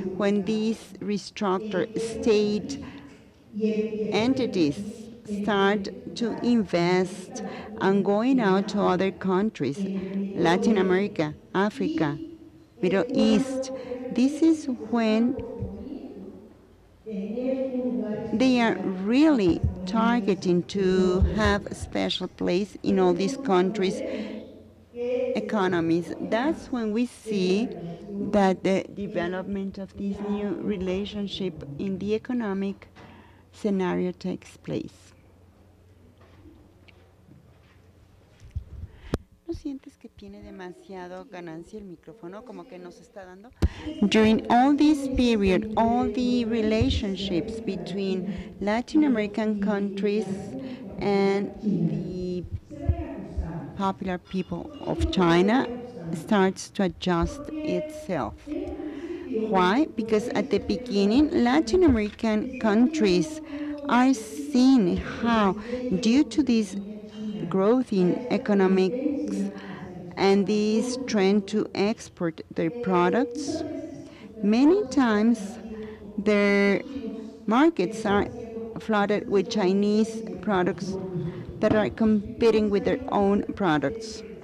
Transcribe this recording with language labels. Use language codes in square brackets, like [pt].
[en] When these restructured state entities start to invest and going out to other countries, Latin America, Africa, Middle East, this is when they are really targeting to have a special place in all these countries' economies. That's when we see that the development of this new relationship in the economic scenario takes place. [es] ¿No sientes que tiene demasiado ganancia el micrófono, como que nos está dando? [en] During all this period, all the relationships between Latin American countries and the popular people of China starts to adjust itself. Why? Because at the beginning, Latin American countries are seeing how, due to this growth in economics and this trend to export their products, many times their markets are flooded with Chinese products that are competing with their own products.